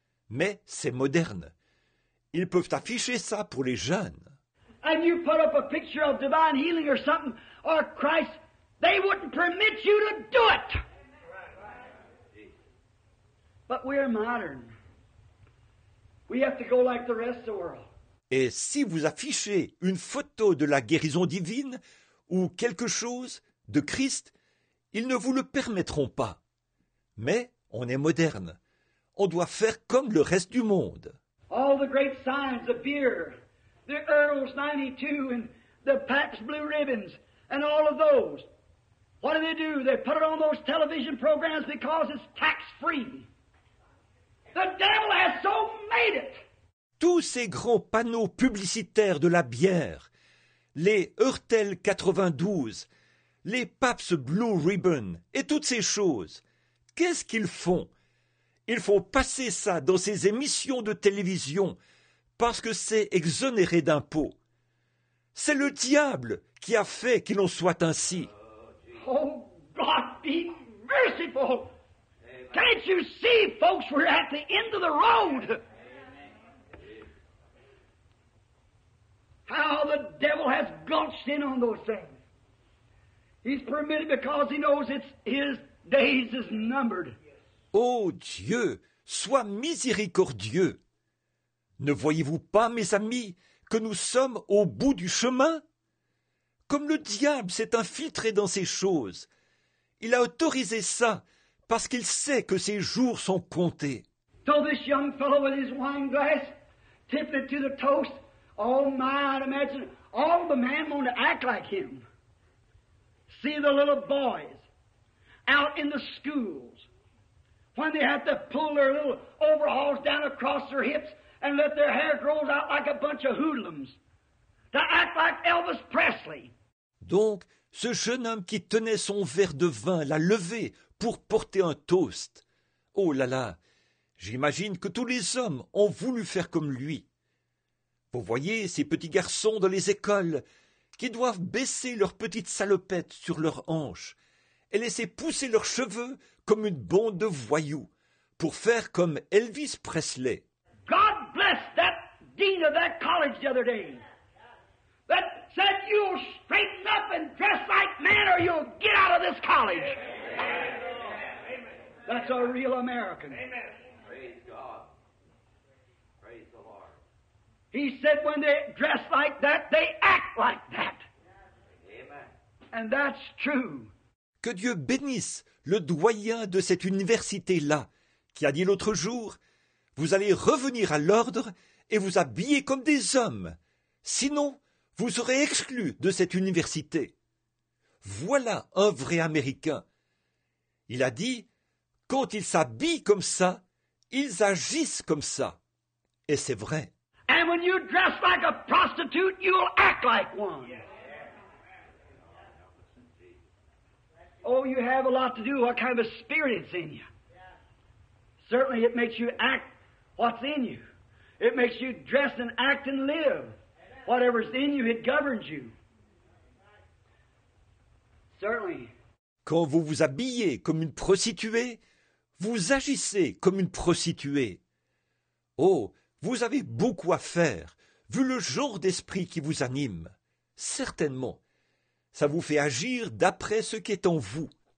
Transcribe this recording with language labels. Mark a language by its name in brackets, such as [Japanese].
[French] Mais c'est moderne. Ils peuvent afficher ça pour les jeunes. [English] And you put up a picture of divine healing or something, or Christ, they wouldn't permit you to do it. But we are modern. We have to go like the rest of the world. [French] Et si vous affichez une photo de la guérison divine ou quelque chose de Christ, ils ne vous le permettront pas. Mais on est moderne. On doit faire comme le reste du monde. [English] All the great signs of beer, the Earl's 92 and the Pabst Blue Ribbons and all of those. What do? They put it on those television programs because it's tax-free. The devil has so made it. [French] Tous ces grands panneaux publicitaires de la bière, les Hurtel 92, les Pabst Blue Ribbon et toutes ces choses, qu'est-ce qu'ils font? Ils font passer ça dans ces émissions de télévision parce que c'est exonéré d'impôts. C'est le diable qui a fait qu'il en soit ainsi. [English] Oh, God be merciful! Can't you see, folks, we're at the end of the road? How the devil has gulched in on those things. He's permitted because he knows it's his days is numbered. [French] Oh Dieu, sois miséricordieux. Ne voyez-vous pas, mes amis, que nous sommes au bout du chemin? Comme le diable s'est infiltré dans ces choses. Il a autorisé ça parce qu'il sait que ses jours sont comptés. [English] So this young fellow with his wine glass tipped it to the toast. Oh my, I'd imagine all the men want to act like him. See the little boys out in the schools when they have to pull their little overalls down across their hips and let their hair grow out like a bunch of hoodlums to act like Elvis Presley. [French] Donc, ce jeune homme qui tenait son verre de vin l'a levé pour porter un toast. Oh là là, j'imagine que tous les hommes ont voulu faire comme lui. Vous voyez ces petits garçons dans les écoles qui doivent baisser leurs petites salopettes sur leurs hanches et laisser pousser leurs cheveux comme une bande de voyous pour faire comme Elvis Presley. [English] God bless that dean of that college the other day that said you'll straighten up and dress like men or you'll get out of this college. That's a real American. Amen. He said when they dress like that, they act like that. Amen. And that's true. [French] Que Dieu bénisse le doyen de cette université-là qui a dit l'autre jour, « Vous allez revenir à l'ordre et vous habiller comme des hommes. Sinon, vous serez exclus de cette université. » Voilà un vrai Américain. Il a dit, « Quand ils s'habillent comme ça, ils agissent comme ça. » Et c'est vrai. [English] And when you dress like a prostitute, you'll act like one. Oh, you have a lot to do. What kind of a spirit is in you? Certainly it makes you act what's in you. It makes you dress and act and live. Whatever's in you, it governs you. Certainly. [French] Quand vous vous habillez comme une prostituée, vous agissez comme une prostituée. Oh, vous avez beaucoup à faire, vu le genre d'esprit qui vous anime. Certainement, ça vous fait agir d'après ce qui est en vous.